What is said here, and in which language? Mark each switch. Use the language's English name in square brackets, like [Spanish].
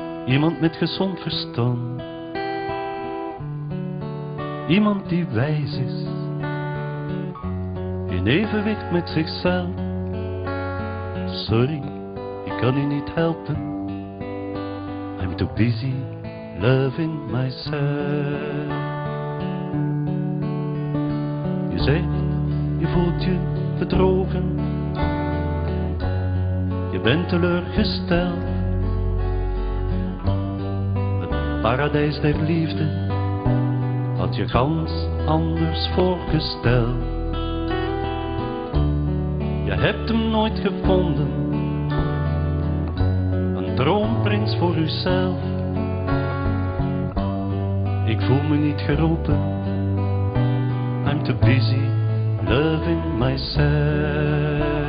[Dutch] Iemand met gezond verstand. Iemand die wijs is. In evenwicht met zichzelf. Sorry, ik kan je niet helpen. [English] I'm too busy loving myself. [Dutch] Je zegt, je voelt je bedrogen. Je bent teleurgesteld. Het paradijs der liefde had je gans anders voorgesteld. Je hebt hem nooit gevonden. Een droomprins voor uzelf. Ik voel me niet geroepen. [English] I'm too busy loving myself.